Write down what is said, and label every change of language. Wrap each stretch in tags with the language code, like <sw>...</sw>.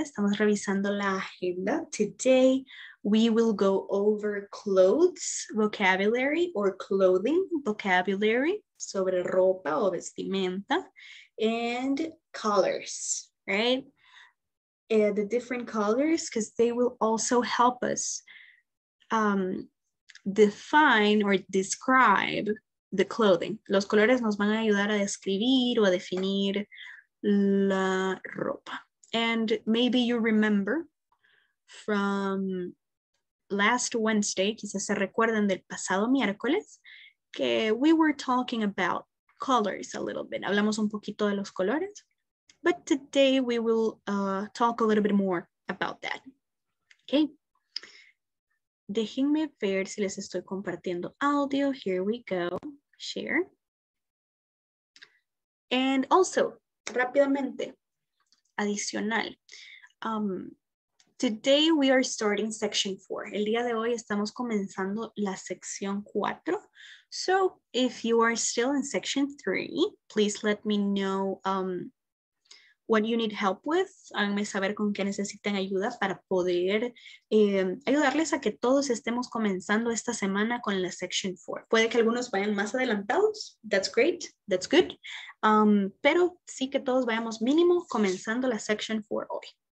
<es>Estamos revisando la agenda.</es> <en>Today, we will go over clothes vocabulary or clothing vocabulary,</en> <es>sobre ropa o vestimenta,</es> <en>and colors, right? And the different colors, because they will also help us define or describe the clothing.</en> <es>Los colores nos van a ayudar a describir o a definir la ropa.</es> <en>And maybe you remember from last Wednesday,</en> <es>quizás se recuerden del pasado miércoles, que</es> <en>we were talking about colors a little bit.</en> <es>Hablamos un poquito de los colores.</es> <en>But today we will talk a little bit more about that.</en> <es>Okay. Déjenme ver si les estoy compartiendo audio.</es> <en>Here we go. Share. And also,</en> <es>rápidamente, adicional.</es> <en>Today we are starting section 4.</en> <es>El día de hoy estamos comenzando la sección 4.</es> <en>So if you are still in section 3, please let me know what you need help with.</en> <es>Háganme saber con qué necesitan ayuda para poder ayudarles a que todos estemos comenzando esta semana con la Section 4. Puede que algunos vayan más adelantados.</es> <en>That's great. That's good.</en> <es>Pero sí que todos vayamos mínimo comenzando la Section 4 hoy.</es>